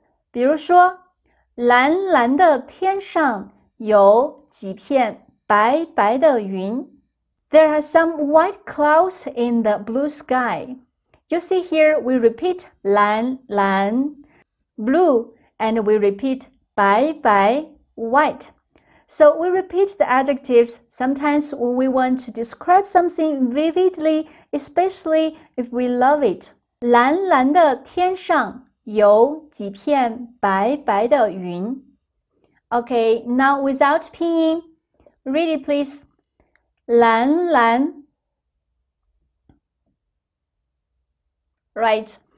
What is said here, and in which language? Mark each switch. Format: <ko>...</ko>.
<zh>比如说，蓝蓝的天上有几片白白的云。</zh> <en>There are some white clouds in the blue sky. You see here, we repeat 蓝蓝，blue， and we repeat 白白 ，white。 So we repeat the adjectives sometimes when we want to describe something vividly, especially if we love it.</en> <zh>蓝蓝的天上有几片白白的云。</zh> <en>Okay, now without 拼音, read it please.</en> <zh>蓝蓝</zh> <en>Right.</en>